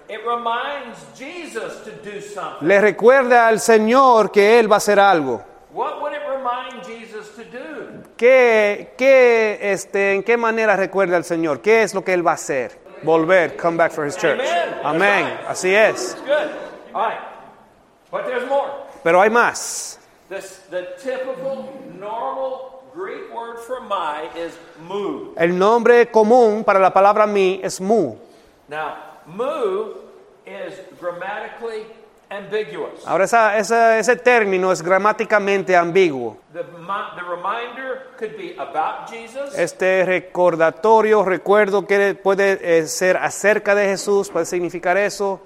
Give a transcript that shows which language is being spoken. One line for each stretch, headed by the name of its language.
English: it reminds Jesus to do something.
Spanish: Le recuerda al Señor que Él va a hacer algo.
English: What would it remind Jesus to do?
Spanish: ¿En qué manera recuerda al Señor? ¿Qué es lo que Él va a hacer?
English: Volver, come back for His church.
Spanish: Amén. Right. Así es.
English: Good. All right. But there's more.
Spanish: Pero hay más.
English: The typical normal Greek word for my is mu.
Spanish: El nombre común para la palabra mi es mu.
English: Now, mu is grammatically ambiguous.
Spanish: Ahora ese término es gramáticamente ambiguo.
English: The reminder could be about Jesus.
Spanish: Este recordatorio, recuerdo que puede ser acerca de Jesús, puede significar eso.